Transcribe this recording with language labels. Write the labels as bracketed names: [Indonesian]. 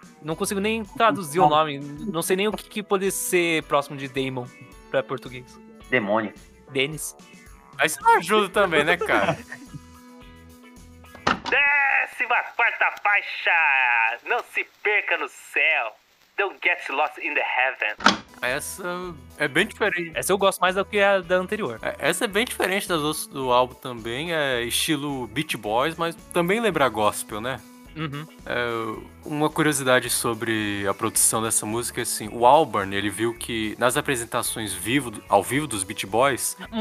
[Portuguese] Não consigo nem traduzir o nome, não sei nem o que pode ser próximo de Damon pra português. Demônio. Dennis. Mas isso não ajuda também, né, cara? 14ª faixa, não se perca no céu. [English] Don't get lost in the heaven. [Portuguese] Essa é bem diferente. Essa eu gosto mais do que a da anterior. Essa é bem diferente das outras do álbum também. É estilo Beach Boys, mas também lembra gospel, né? Uhum. Uma curiosidade sobre a produção dessa música é assim. O Albarn, ele viu que nas apresentações ao vivo dos Beach Boys...